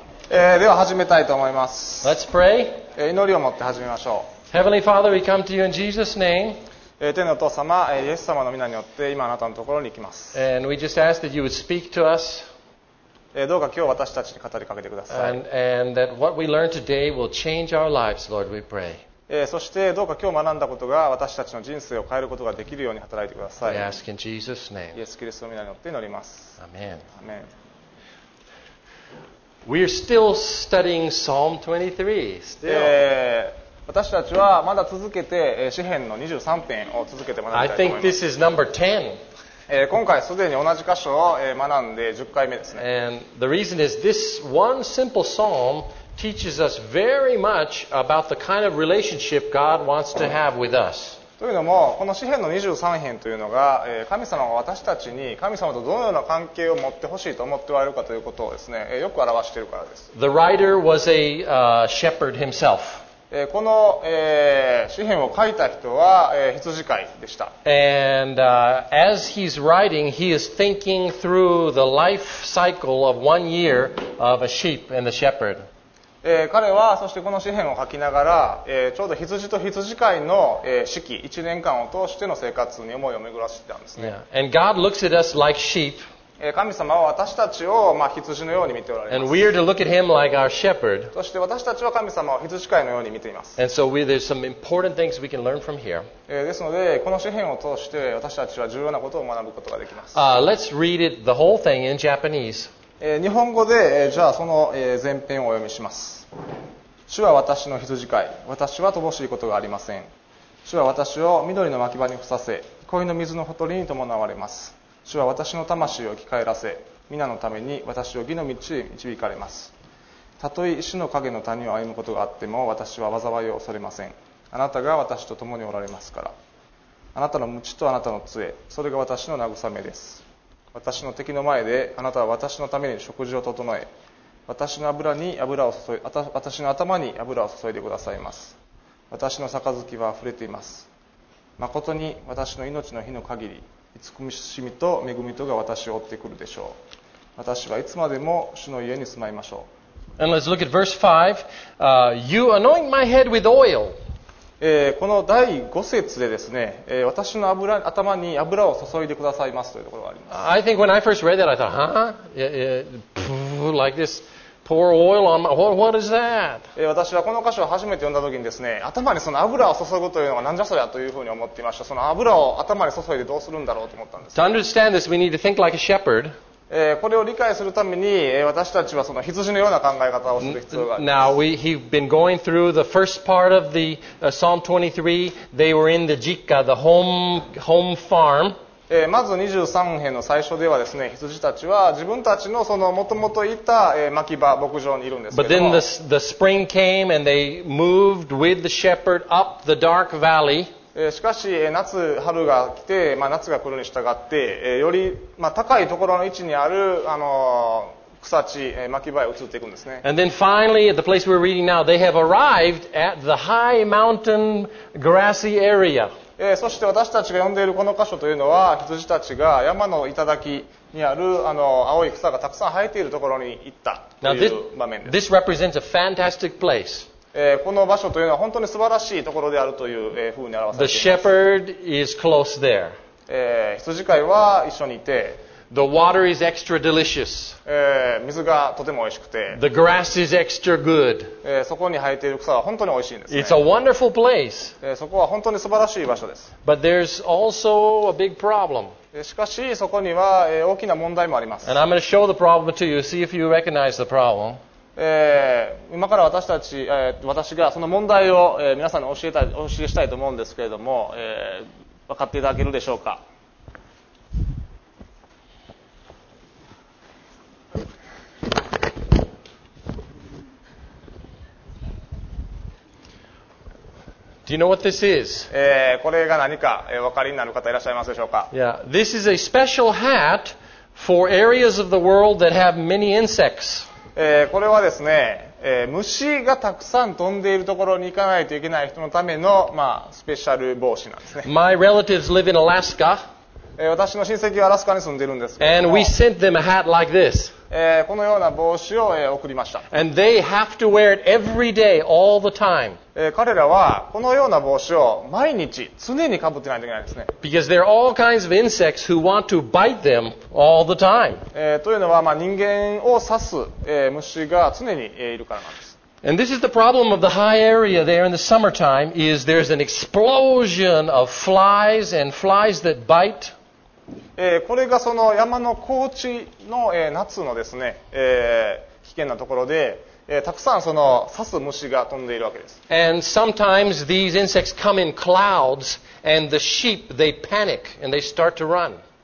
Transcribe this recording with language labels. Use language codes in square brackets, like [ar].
[ja] では始めたいと思います。 [en] Let's pray. [ja] 祈りを持って始めましょう。 [en] Heavenly Father, we come to you in Jesus' name. [ja] 天のお父様、イエス様の御名によって今あなたのところに行きます。 [en] And we just ask that you would speak to us. [ja] どうか今日私たちに語りかけてください。 [en] And that what we learn today will change our lives, Lord, we pray. [ja] そしてどうか今日学んだことが私たちの人生を変えることができるように働いてください。 [en] We ask in Jesus' name. [ja] イエス・キリストの御名によって祈ります。 [en] Amen. Amen. We are still studying Psalm 23. Still. [ja] 私たちはまだ続けて詩編の23編を続けて学んでいます。 [en] I think this is number 10. [ja] 今回すでに同じ箇所を学んで10回目ですね。 [en] And the reason is this one simple psalm teaches us very much about the kind of relationship God wants to have with us. [ja] というのも、この詩編の23編というのが、神様が私たちに神様とどのような関係を持ってほしいと思っておられるかということをですね、よく表しているからです。 [en] The writer was a shepherd himself. [ja] この、詩編を書いた人は、羊飼いでした。 [en] And, as he's writing, he is thinking through the life cycle of one year of a sheep and the shepherd. [ja] 彼はそしてこの詩編を書きながら、ちょうど羊と羊飼いの、四季1年間を通しての生活に思いを巡らせていたんですね、 [en] yeah. And God looks at us like sheep. [ja] 神様は私たちを、まあ、羊のように見ておられます [en] And we are to look at him like our shepherd. [ja] そして私たちは神様を羊飼いのように見ています [en] And so there's some important things we can learn from here. [ja] ですのでこの詩編を通して私たちは重要なことを学ぶことができます [en] Let's read it, the whole thing in Japanese. [ja] 日本語で、じゃあその前編をお読みします。主は私の羊飼い、私は乏しいことがありません。主は私を緑の牧場に伏させ、憩いの水のほとりに伴われます。主は私の魂を生き返らせ、皆のために私を義の道へ導かれます。たとえ死の影の谷を歩むことがあっても、私は災いを恐れません。あなたが私と共におられますから。あなたの鞭とあなたの杖、それが私の慰めです。私の敵の前であなたは私のために食事を整え私の頭に油を注いでくださいます私の杯は溢れています誠に私の命の日の限り慈しみと恵みとが私を追ってくるでしょう私はいつまでも主の家に住まいましょう [en] And let's look at verse 5 You anoint my head with oil [ja] この第5節でですね、私の頭に油を注いでくださいますというところがあります。 [en] I think when I first read that, I thought, huh? Like this, pour oil on my... What is that? [ja] 私はこの箇所を初めて読んだときにですね、頭にその油を注ぐというのが何じゃそりゃというふうに思っていました。その油を頭に注いでどうするんだろうと思ったんです。 [en] To understand this, we need to think like a shepherd. [ja] これを理解するために私たちはその羊のような考え方をする必要があります。 [en] Now he's been going through the first part of the Psalm 23. They were in the jikka, the home farm. [ja] まず23編の最初ではですね、羊たちは自分たちのその元々いた牧場牧場にいるんですけども。 [en] But then the spring came and they moved with the shepherd up the dark valley. [ja] しかし夏春が来て、まあ、夏が来るに従ってより、まあ、高いところの位置にある草地牧場へ移っていくんですね。 [en] And then finally, at the place we're reading now, they have arrived at the high mountain grassy area. [ja] そして私たちが呼んでいるこの箇所というのは羊たちが山の頂きにある青い草がたくさん生えているところに行ったという場面です。 [en] This represents a fantastic place. [ja] この場所というのは本当に素晴らしいところであるというふうに表されています。 [en] The shepherd is close there. [ja] 羊飼いは一緒にいて。 [en] The water is extra delicious. [ja] 水がとても美味しくて。 [en] The grass is extra good. [ja] そこに生えている草は本当に美味しいんですね。 [en] It's a wonderful place. [ja] そこは本当に素晴らしい場所です。 [en] But there's also a big problem. [ja] しかしそこには大きな問題もあります。 [en] And I'm going to show the problem to you, see if you recognize the problem. [ja] 今から私たち、私がその問題を、皆さんに教えしたいと思うんですけれども、分かっていただけるでしょうか。 [en] Do you know what this is? [ja] これが何か、分かりになる方いらっしゃいますでしょうか。 [en] Yeah, this is a special hat for areas of the world that have many insects. [ja] これはですね、虫がたくさん飛んでいるところに行かないといけない人のための、まあ、スペシャル帽子なんですね。 [en] My relatives live in Alaska. [ja] 私の親戚はアラスカに住んでいるんですけども。 [en] And we sent them a hat like this. [ja] このような帽子を送りました。 [en] And they have to wear it every day, all the time. [ja] 彼らはこのような帽子を毎日常にかぶってないといけないですね。 [en] Because there are all kinds of insects who want to bite them all the time. [ja] というのは、まあ、人間を刺す、虫が常にいるからなんです。 [en] And this is the problem of the high area there in the summertime is there's an explosion of flies and flies that bite. [ja] これがその山の高地の夏のですね、危険なところで、たくさんその刺す虫が飛んでいるわけです。 [en] And sometimes these insects come in clouds and the sheep, they panic and they start to run.